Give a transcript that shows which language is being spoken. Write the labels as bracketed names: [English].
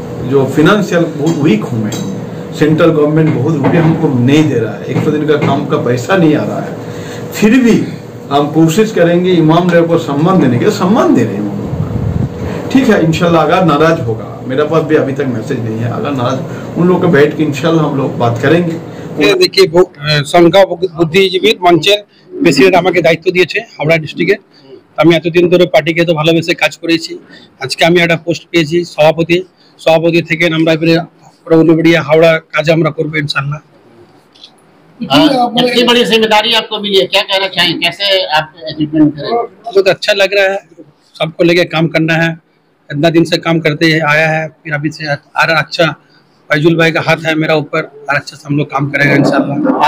[Hindi] जो फिनेंशियल बहुत वीक हूँ मैं, सेंट्रल गवर्नमेंट बहुत रुपये हमको नहीं दे रहा है, 100 दिन का काम का पैसा नहीं आ रहा है, फिर भी हम कोशिश करेंगे इमाम लोग को सम्मान देने के, सम्मान दे रहे हैं इमाम लोग का, ठीक है इंशाल्लाह, अगर नाराज होगा मेरे पास भी अभी तक मैसेज नहीं है, अगर नाराज उन लोग के बैठ के इंशाल्लाह हम लोग बात करेंगे। देखिए संघा बुद्धिजीवी मंचर प्रेसिडेंट हमें दायित्व दिए हावड़ा डिस्ट्रिक्ट, [Bangla] আমি এতদিন ধরে পার্টিকে তো ভালোবেসে কাজ করেছি, আজকে আমি একটা পোস্ট পেয়েছি সভাপতি, সভাপতি থেকে আমরা এবারে অনুবড়িয়া হাওড়া কাজ আমরা করবো ইনশাল্লাহ। [Hindi] इतनी बड़ी जिम्मेदारी आपको मिली है, क्या कहना चाहिए, कैसे आप अचीवमेंट करें? बहुत अच्छा लग रहा है, सबको लेके काम करना है, इतना दिन से काम करते आया है, फिर अभी से अच्छा फैजुल भाई का हाथ है मेरा ऊपर, अच्छे से हम लोग काम करेंगे इंशाल्लाह।